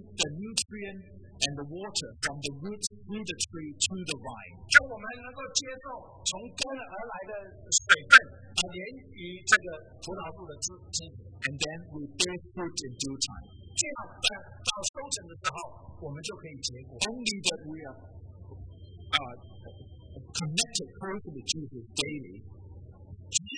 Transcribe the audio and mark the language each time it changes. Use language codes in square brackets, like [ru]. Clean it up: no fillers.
[en] the nutrient and the water from the roots through the tree to the vine. [zh] 就我们能够接受从根而来的水分，连于这个葡萄树的枝子。 [en] And then we bear fruit in due time. [zh] 这样在到收成的时候，我们就可以结果。 [en] Only that we are connected closely to Jesus daily.